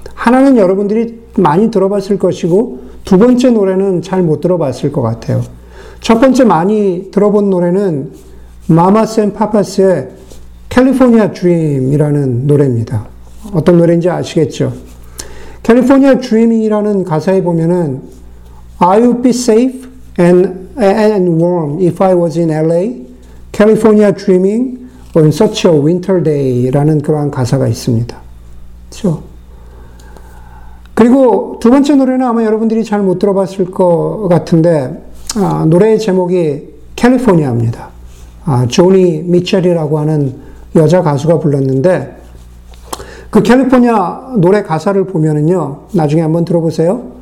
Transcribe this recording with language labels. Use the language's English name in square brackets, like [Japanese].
[Korean] 하나는 여러분들이 많이 들어봤을 것이고 두 번째 노래는 잘 못 들어봤을 것 같아요. 첫 번째 많이 들어본 노래는 마마스 앤 파파스의 캘리포니아 드림이라는 노래입니다. 어떤 노래인지 아시겠죠? 캘리포니아 드림이라는 가사에 보면은 [English] I would be safe and warm if I was in LA. California dreaming on such a winter day [Korean] 라는 그러한 가사가 있습니다. 그렇죠? 그리고 두 번째 노래는 아마 여러분들이 잘 못 들어봤을 것 같은데 노래의 제목이 캘리포니아입니다. 조니 미첼이라고 하는 여자 가수가 불렀는데, 그 캘리포니아 노래 가사를 보면은요, 나중에 한번 들어보세요.